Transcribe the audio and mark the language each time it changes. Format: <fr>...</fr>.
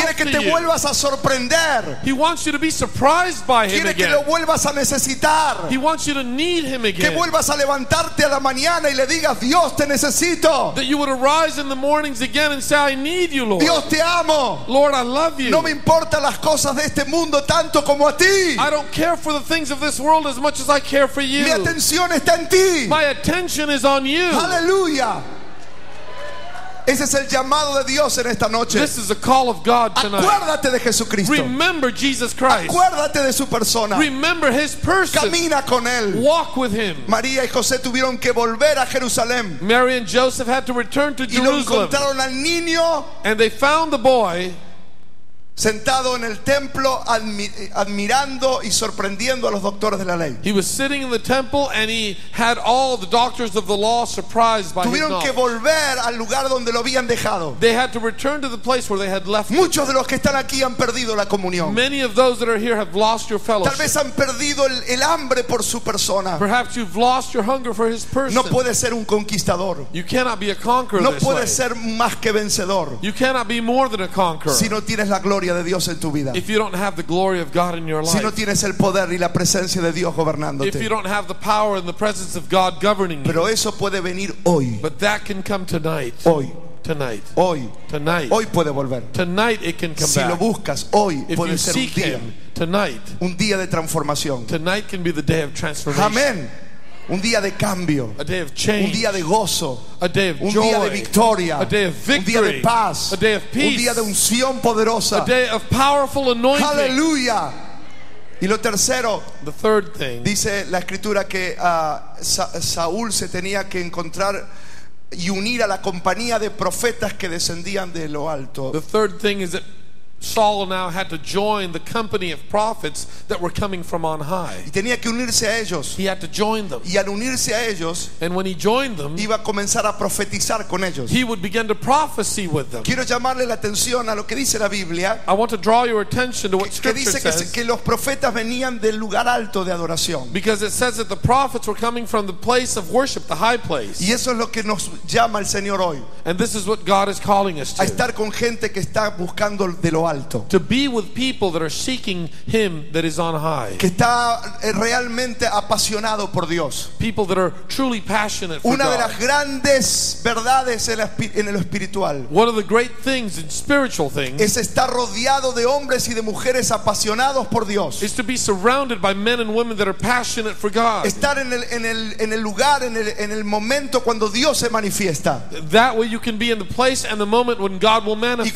<es>Quiere que te vuelvas a sorprender.</es> <en>He wants you to be surprised by him again.</en> <es>Quiere que lo vuelvas a necesitar.</es> <en>He wants you to need him again.</en> <es>Que vuelvas a levantarte a la mañana y le digas, Dios, te necesito.</es> <en>That you would arise in the mornings again and say, I need you, Lord.</en> <es>Dios, te amo.</es> <en>Lord, I love you.</en> <es>No me importan las cosas de este mundo tanto como a ti.</es> <en>I don't care for the things of this world as much as I care for you.</en> <es>Mi atención está en ti.</es> <en>My attention is on you. Hallelujah.</en> <es>Ese es el llamado de Dios en esta noche.</es> <en>This is a call of God tonight.</en> <es>Acuérdate de Jesucristo.</es> <en>Remember Jesus Christ.</en> <es>Acuérdate de su persona.</es> <en>Remember his person.</en> <es>Camina con él.</es> <en>Walk with him.</en> <es>María y José tuvieron que volver a Jerusalén.</es> <en>Mary and Joseph had to return to Jerusalem.</en> <es>Y encontraron al niño.</es> <en>And they found the boy</en> <es>sentado en el templo admirando y sorprendiendo a los doctores de la ley.</es> <en>He was sitting in the temple and he had all the doctors of the law surprised by his knowledge.</en> <es>Tuvieron que volver al lugar donde lo habían dejado.</es> <en>They had to return to the place where they had left.</en> <es>Muchos de los que están aquí han perdido la comunión.</es> <en>Many of those that are here have lost your fellowship.</en> <es>Tal vez han perdido el hambre por su persona.</es> <en>Perhaps you've lost your hunger for his person.</en> <es>No puedes ser un conquistador.</es> <en>You cannot be a conqueror.</en> <es>No puedes ser más que vencedor.</es> <en>You cannot be more than a conqueror.</en> <es>Si no tienes la gloria de Dios en tu vida.</es> <en>If you don't have the glory of God in your life.</en> <es>Si no tienes el poder y la presencia de Dios gobernándote.</es> <en>If you don't have the power and the presence of God governing you.</en> <es>Pero eso puede venir hoy.</es> <en>But that can come tonight.</en> <es>Hoy.</es> <en>Tonight.</en> <es>Hoy.</es> <en>Tonight.</en> <es>Hoy puede volver.</es> <en>Tonight it can come</en> <es>si</es> <en>back.</en> <es>Si lo buscas hoy</es> <en>if</en> <es>puede</es> <en>you</en> <es>ser</es> <en>seek</en> <es>un día.</es> <en>Him tonight.</en> <es>Un día de transformación.</es> <en>Tonight can be the day of transformation.</en> <es>Amén. Un día de cambio.</es> <en>A day of change.</en> <es>Un día de gozo.</es> <en>A day of</en> <es>un</es> <en>joy.</en> <es>Día de victoria.</es> <en>A day of victory.</en> <es>Un día de paz.</es> <en>A day of peace.</en> <es>Un día de unción poderosa.</es> <en>A day of powerful anointing.</en> <es>Hallelujah. Y lo tercero,</es> <en>the third thing,</en> <es>dice la escritura que Saúl se tenía que encontrar y unir a la compañía de profetas que descendían de lo alto.</es> <en>The third thing is that Saul now had to join the company of prophets that were coming from on high.</en> <es>Y tenía que unirse a ellos.</es> <en>He had to join them.</en> <es>Y al unirse a ellos,</es> <en>and when he joined them,</en> <es>iba a comenzar a profetizar con ellos.</es> <en>He would begin to prophesy with them.</en> <es>Quiero llamarle la atención a lo que dice la Biblia.</es> <en>I want to draw your attention to what Scripture says.</en> <es>Que dice que los profetas venían del lugar alto de adoración.</es> <en>Because it says that the prophets were coming from the place of worship, the high place.</en> <es>Y eso es lo que nos llama el Señor hoy.</es> <en>And this is what God is calling us to.</en> <es>A estar con gente que está buscando de lo alto.</es> <en>To be with people that are seeking him that is on high.</en> <es>Que está realmente apasionado por Dios.</es> <en>People that are truly passionate for God.</en> <es>Una de las grandes verdades en lo espiritual.</es> <en>One of the great things in spiritual things.</en> <es>Es estar rodeado de hombres y de mujeres apasionados por Dios.</es> <en>Is to be surrounded by men and women that are passionate for God.</en> <es>Estar en el lugar, en el momento cuando Dios se manifiesta.</es> <en>That way you can be in the place and the moment when God will manifest.</en>